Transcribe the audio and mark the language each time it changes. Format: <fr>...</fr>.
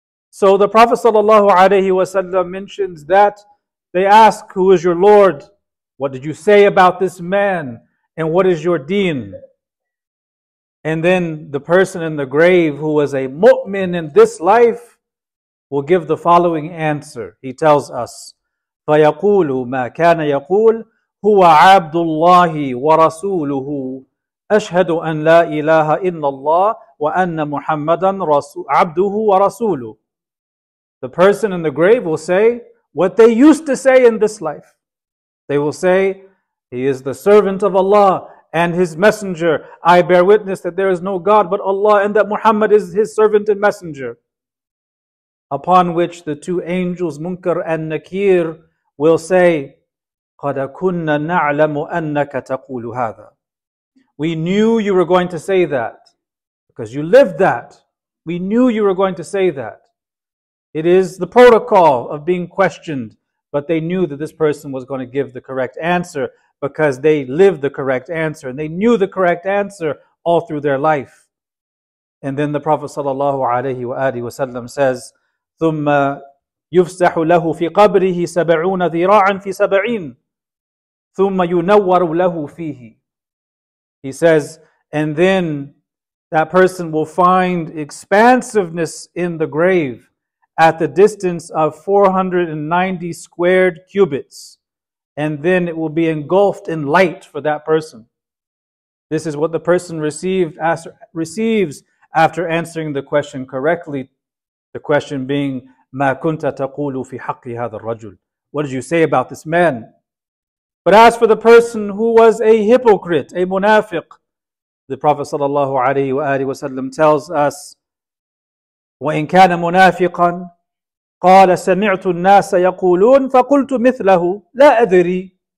<en>So the Prophet sallallahu alayhi wa sallam mentions that they ask, who is your Lord? What did you say about this man? And what is your deen? And then the person in the grave who was a mu'min in this life will give the following answer. He tells us,</en> <ar>فَيَقُولُ مَا كَانَ يَقُولُ هُوَ عَبْدُ اللَّهِ وَرَسُولُهُ أَشْهَدُ أَنْ لَا إِلَهَ إِلَّا اللَّهِ وَأَنَّ مُحَمَّدًا عَبْدُهُ وَرَسُولُهُ.</ar> <en>The person in the grave will say what they used to say in this life. They will say, he is the servant of Allah and his messenger. I bear witness that there is no God but Allah and that Muhammad is his servant and messenger. Upon which the two angels, Munkar and Nakir, will say,</en> <ar>قَدْ كُنَّا نَعْلَمُ أَنَّكَ تَقُولُ هَذَا.</ar> <en>We knew you were going to say that because you lived that. We knew you were going to say that. It is the protocol of being questioned, but they knew that this person was going to give the correct answer because they lived the correct answer and they knew the correct answer all through their life. And then the Prophet sallallahu alayhi wa alihi wa sallam says,</en> <ar>ثُمَّ يُفْسَحُ لَهُ فِي قَبْرِهِ سَبَعُونَ ذِرَاعًا فِي سَبَعِينَ ثُمَّ يُنَوَّرُ لَهُ فِيهِ.</ar> <en>He says, and then that person will find expansiveness in the grave at the distance of 490 squared cubits, and then it will be engulfed in light for that person. This is what the person receives after answering the question correctly. The question being,</en> <ar>مَا كُنْتَ تَقُولُ فِي حَقِّ هَذَا الرَّجُلِ.</ar> <en>What did you say about this man? But as for the person who was a hypocrite, a munafiq, the Prophet sallallahu alayhi wa alihi wa sallam tells us,</en> <ar>وَإِنْ كَانَ مُنَافِقًا قَالَ سَمِعْتُ النَّاسَ يَقُولُونَ فَقُلْتُ مِثْلَهُ لَا أَذْرِي.</ar>